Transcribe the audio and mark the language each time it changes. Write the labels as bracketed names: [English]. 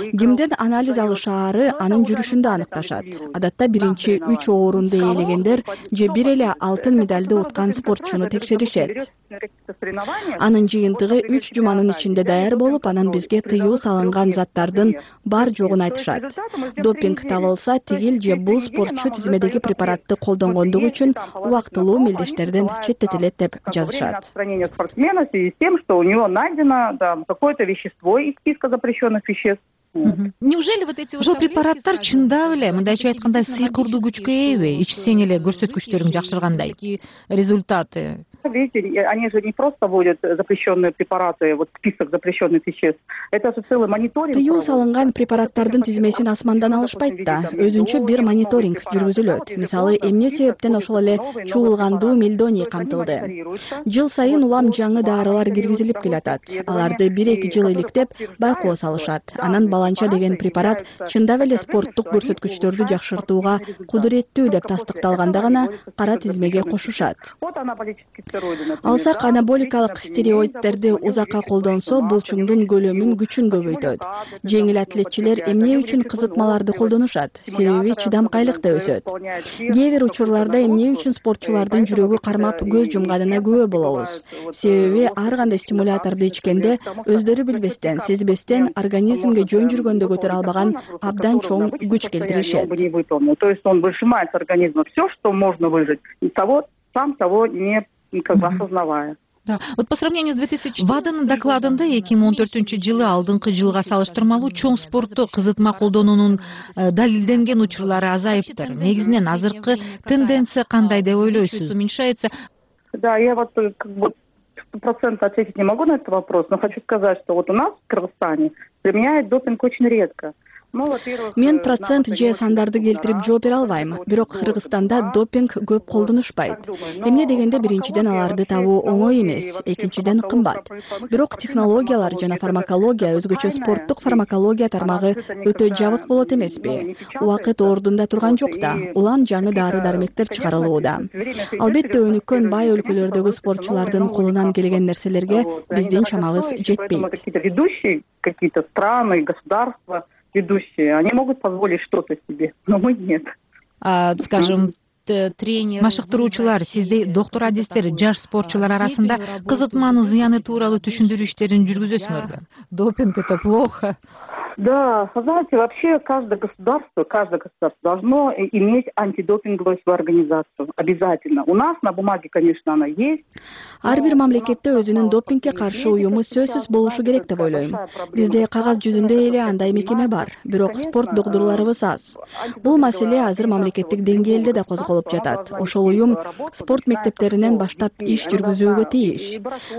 [Kyrgyz] Кимден анализ алышаары анын жүрүшүндө аныкташат. Адатта биринчи 3 орунду ээлегендер же бир эле алтын медальды уткан спортчуну текшеришет. Анын жыйынтыгы 3 жуманын ичинде даяр болуп, анан бизге тыюу салынган заттардын бар жогун айтышат. Допинг табылса, тигил же бул спортчу тизмедеги препаратты колдонгондугу үчүн убактылуу мелдештерден четтетилет деп жазышат. [Russian] Спортсмена с тем, что у него найдено там какое-то вещество из списка запрещенных веществ. Неужели вот эти [Kyrgyz] ушел препараттар чындап эле мындай чөй айткандай сыйкырдуу күчкө ээби? Ичсең эле көрсөткүчтөрүң жакшыргандай результаты. [Russian] Видите, они же не просто вводят запрещенные препараты, вот список запрещенных веществ. Это же целый мониторинг. [Kyrgyz] Тыюу салынган препараттардын тизмесин асмандан алышпайт да. Өзүнчө бир мониторинг жүргүзүлөт. Мисалы, эмне себептен ошол эле чуулгандуу мельдоний камтылды. Жыл сайын улам жаңы дарылар киргизилип келатат. Аларды 1-2 жыл иликтеп байкоо салышат. Анан баланча деген препарат чындап эле спорттук көрсөткүчтөрдү жакшыртууга кудуреттүү деп тастыкталганда гана кара тизмеге кошушат. Алсак анаболикалык стереоидтерди узакка колдонсо, булчуңдун көлөмүн күчүн көбөйтөт. Жеңил атлетчилер эмне үчүн кызытмаларды колдонушат? Себеби чыдамкайлык да өсөт. Кээ бир учурларда эмне үчүн спортчулардын жүрөгү кармап, көз жумганына күбө болобуз? Себеби ар кандай стимуляторду ичкенде өздөрү билбестен, сезбестен организмге жөн жүргөндө көтөрө албаган абдан чоң күч келтиришет. [Russian] То есть он выжимает организм всё, что можно выжать из того, сам того не осознавая. Да. Вот по сравнению с 2014 [Kyrgyz] ВАДАнын докладында 2014 жылы алдыңкы жылга салыштырмалуу чоң спортто кызытма колдонуунун далилденген учурлары азайыптыр. Негизинен азыркы тенденция кандай деп ойлойсуз? [Russian] Уменьшается. Да, я вот как бы 100% ответить не могу на этот вопрос, но хочу сказать, что вот у нас в Кыргызстане применяют допинг очень редко. [Kyrgyz] Мен процент же сандарды келтирип жооп бере албайм, бирок Кыргызстанда допинг көп колдонушпайт. Эмне дегенде, биринчиден аларды табуу оңой эмес, экинчиден кымбат. Бирок технологиялар жана фармакология, өзгөчө спорттук фармакология тармагы өтө жабык болот эмеспи? Убакыт ордунда турган жок да, улам жаңы дары-дармектер чыгарылууда. Албетте, өнүккөн бай өлкөлөрдөгү спортчулардын колунан келген нерселерге биздин чамабыз жетпейт. [Russian] Какие-то страны, государства ведущие, они могут позволить что-то себе, но мы нет. А, скажем, [Kyrgyz] тренер, машыктыруучулар, сизди доктор адистер, жаш спортчулар арасында кызытманын зыяны тууралуу түшүндүрүү иштерин жүргүзөсүңөрбү? [Russian] Допинг это плохо. Да, знаете, вообще каждое государство должно иметь антидопинговую свою организацию обязательно. У нас на бумаге, конечно, она есть. [Kyrgyz] Ар бир мамлекетте өзүнүн допингке каршы уюму сөзсүз болушу керек деп ойлойм. Бизде кагаз жүзүндө эле андай мекеме бар, бирок спорт доктурларыбыз аз. Бул маселе азыр мамлекеттик деңгээлде да козголуп жатат. Ошол уюм спорт мектептеринен баштап иш жүргүзүүгө тийиш.